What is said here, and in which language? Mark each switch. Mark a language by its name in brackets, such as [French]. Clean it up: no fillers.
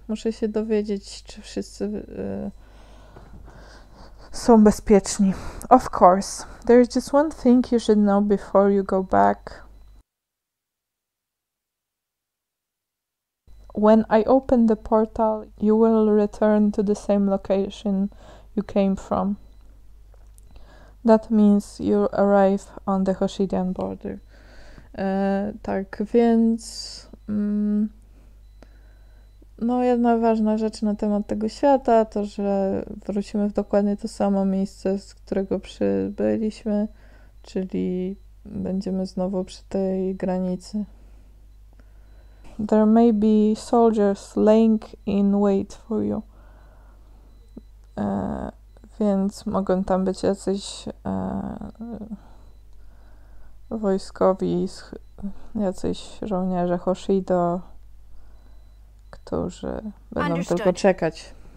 [Polish] Muszę się dowiedzieć, czy wszyscy są bezpieczni. [English] Of course. There is just one thing you should know before you go back. When I open the portal, you will return to the same location you came from. That means you arrive on the Hoshidian border. [Polish] Tak więc... No, jedna ważna rzecz na temat tego świata to, że wrócimy w dokładnie to samo miejsce, z którego przybyliśmy, czyli będziemy znowu przy tej granicy. [English] There may be soldiers laying in wait for you. [Polish] Więc mogą tam być jacyś wojskowi, jacyś żołnierze Hoshido, którzy będą tylko czekać.